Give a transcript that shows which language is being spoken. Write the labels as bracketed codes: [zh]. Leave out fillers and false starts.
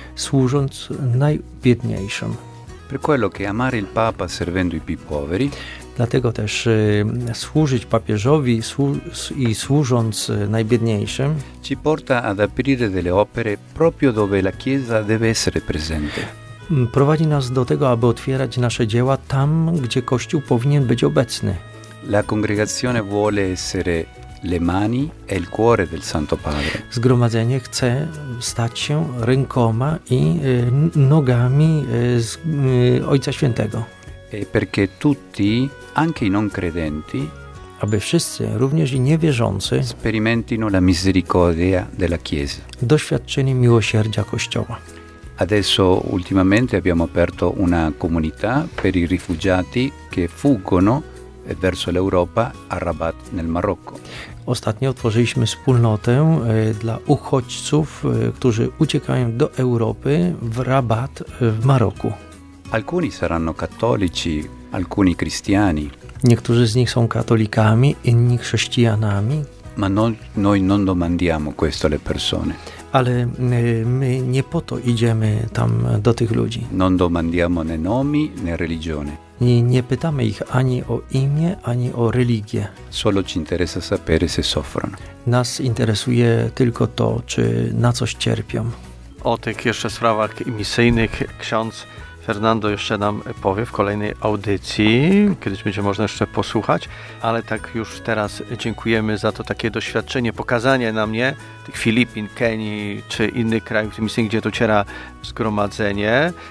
[pl] służąc najbiedniejszym. [it] Per quello che amare il Papa servendo i più poveri, [pl] dlatego też służyć papieżowi i służąc najbiedniejszym, [it] ci porta ad aprire delle opere proprio dove la Chiesa deve essere presente. [pl] Prowadzi nas do tego, aby otwierać nasze dzieła tam, gdzie Kościół powinien być obecny. [it] La congregazione vuole essere le mani e il cuore del Santo Padre. [pl] Zgromadzenie chce stać się rękoma i nogami Ojca Świętego. [it] E perché tutti, anche i non credenti, [pl] aby wszyscy, również i niewierzący, [it] sperimentino la misericordia della Chiesa. [pl] Doświadczyli miłosierdzia Kościoła. [it] Adesso ultimamente abbiamo aperto una comunità per i rifugiati che fuggono verso l'Europa a Rabat nel Marocco. [pl] Ostatnio otworzyliśmy wspólnotę dla uchodźców, którzy uciekają do Europy w Rabat w Maroku. [it] Alcuni saranno cattolici, alcuni cristiani. [pl] Niektórzy z nich są katolikami, inni chrześcijanami. [it] Ma noi non domandiamo questo alle persone. [pl] Ale my nie po to idziemy tam do tych ludzi. [it] Non domandiamo né nomi né religione. [pl] Nie pytamy ich ani o imię, ani o religię. [it] Solo ci interessa sapere se soffrono. [pl] Nas interesuje tylko to, czy na coś cierpią. O tych jeszcze sprawach misyjnych ksiądz Fernando jeszcze nam powie w kolejnej audycji, kiedyś będzie można jeszcze posłuchać, ale tak już teraz dziękujemy za to takie doświadczenie, pokazanie na mnie tych Filipin, Kenii czy innych krajów, gdzie dociera zgromadzenie.